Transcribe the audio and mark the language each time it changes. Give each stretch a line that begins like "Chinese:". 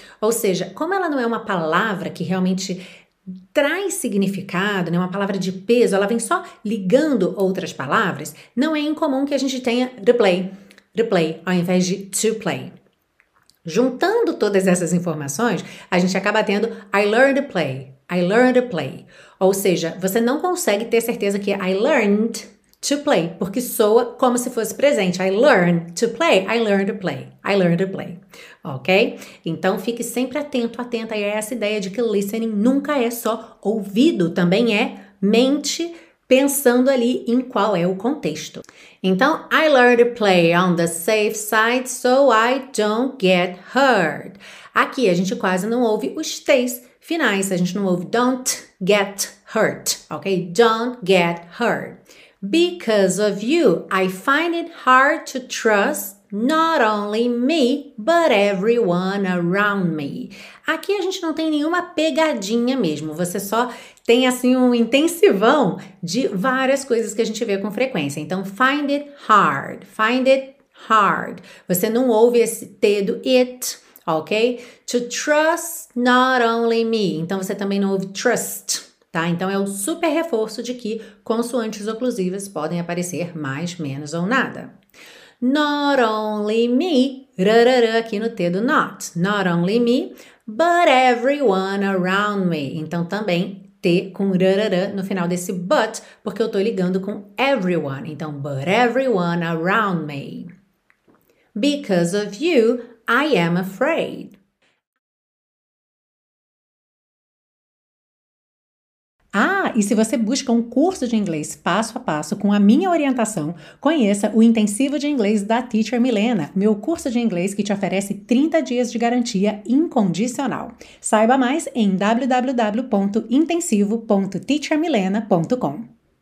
Portuguese: Ou seja, como ela não é uma palavra que realmente traz significado, né, uma palavra de peso, ela vem só ligando outras palavras, não é incomum que a gente tenha replay, replay, ao invés de to play. Juntando todas essas informações, a gente acaba tendo
English: I learned to play, I learned to play.
Portuguese: Ou seja, você não consegue ter certeza que
English: I learned to play,
Portuguese: porque soa como se fosse presente.
English: I learned to play, I learned to play, I learned to play.
Portuguese: Ok? Então, fique sempre atento, atenta a essa ideia de que listening nunca é só ouvido, também é mente pensando ali em qual é o contexto.
English: Então, I learned to play on the safe side so I don't get hurt.
Portuguese: Aqui a gente quase não ouve os T's finais, a gente não ouve
English: don't get hurt,
Portuguese: ok?
English: Don't get hurt. Because of you, I find it hard to trust not only me, but everyone around me.
Portuguese: Aqui a gente não tem nenhuma pegadinha mesmo, você só tem assim um intensivão de várias coisas que a gente vê com frequência. Então,
English: find it hard,
Portuguese: você não ouve esse T do it, ok?
English: To trust not only me,
Portuguese: então você também não ouve trust, tá? Então, é um super reforço de que consoantes oclusivas podem aparecer mais, menos ou nada.
English: Not only me,
Portuguese: rarara, aqui no T do not,
English: not only me, but everyone around me,
Portuguese: então também T com rarara no final desse but, porque eu tô ligando com everyone, então
English: but everyone around me. Because of you, I am afraid.
Portuguese: Ah, e se você busca um curso de inglês passo a passo com a minha orientação, conheça o Intensivo de Inglês da Teacher Milena, meu curso de inglês que te oferece 30 dias de garantia incondicional. Saiba mais em www.intensivo.teachermilena.com.